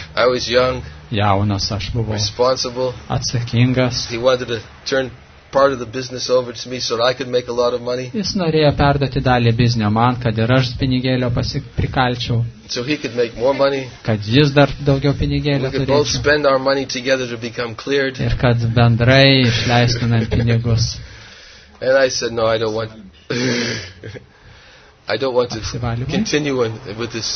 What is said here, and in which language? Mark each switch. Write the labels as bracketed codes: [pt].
[en] I was young. [lt] Jaunas aš buvau. [en] Responsible. [lt] Atsakingas. [en] He wanted to turn part of the business over to me so that I could make a lot of money. [lt] Jis norėjo perduoti dalį biznio man, kad ir aš pinigėlio prikalčiau. [en] So he could make more money. [lt] Kad jis dar daugiau pinigėlio turėtų. [en] We could both spend our money together to become cleared. [lt] Ir kad bendrai išleistumėm pinigus. [en] And I said, no, I don't want to continue with